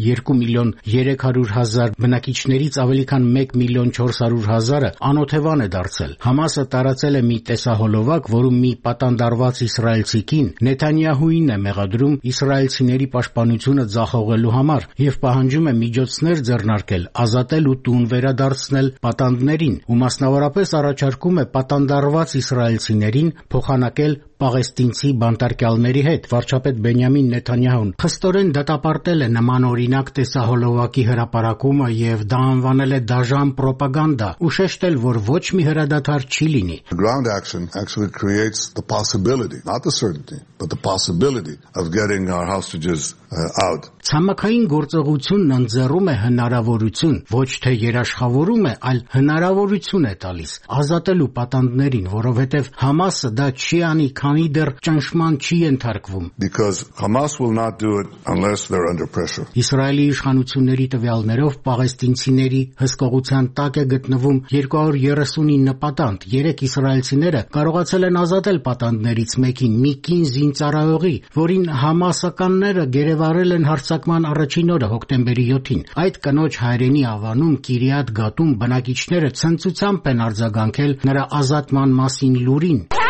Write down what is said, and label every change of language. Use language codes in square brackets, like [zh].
[hy] 2,300,000 բնակիչներից ավելի քան 1,400,000-ը անօթևան է դարձել։ Համասը տարածել է մի տեսահոլովակ, որում մի պատանդարված իսրայելցիկին Նեթանյահուին է մեղադրում իսրայելցիների պաշտպանությունը ձախողելու համար և պահանջում է միջոցներ ձեռնարկել, ազատել ու տուն վերադարձնել պատանդներին ու մասնավորապես առաջարկում է պատանդարված իսրայելցիներին փոխանակել պաղեստինցի բանտարկյալների հետ, վարչապետ Բենյամին Նեթանյահուն։ Խստորեն դատապարտել է նման օրինակ տեսահոլովակի հրապարակումը և դա անվանել է դաժան պրոպագանդա, ու շեշտել, որ ոչ մի հրադադար չի լինի։ [en] Ground action actually creates the possibility, not the certainty, but the possibility of getting our hostages out. [hy] Ցամաքային գործողությունն ընձեռում է հնարավորություն, ոչ թե երաշխավորում է, այլ հնարավորություն է տալիս ազատելու պատանդներին, որովհետև Համասը դա չի անի, քանի դեռ ճնշման չի ենթարկվում. [en] Because Hamas will not do it unless they're under pressure. [hy] Իսրայելի իշխանությունների տվյալներով պաղեստինցիների հսկողության տակ է գտնվում 239 պատանդ, 3 իսրայելցիները կարողացել են ազատել պատանդներից մեկին, մի կին զինծառայողի, որին Համասականները գերեվարել են հարձակման առաջին օրը հոկտեմբերի 7-ին։ Այդ կնոջ հայրենի ավանում Կիրիատ Գատում բնակիչները ցնցությամբ են արձագանքել նրա ազատման մասին լուրին։